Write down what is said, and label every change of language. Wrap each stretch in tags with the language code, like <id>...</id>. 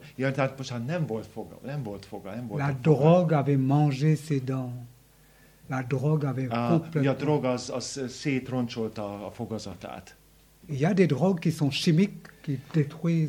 <hu>Ja, tehát most már nem volt foga, nem volt foga, nem volt.</hu> <fr>La drogue avait mangé ses dents. La drogue avait complètement.</fr> <hu>Ja, a drog az szétroncsolta a fogazatát.</hu> <fr>Il y a des drogues qui sont chimiques, qui détruisent</fr>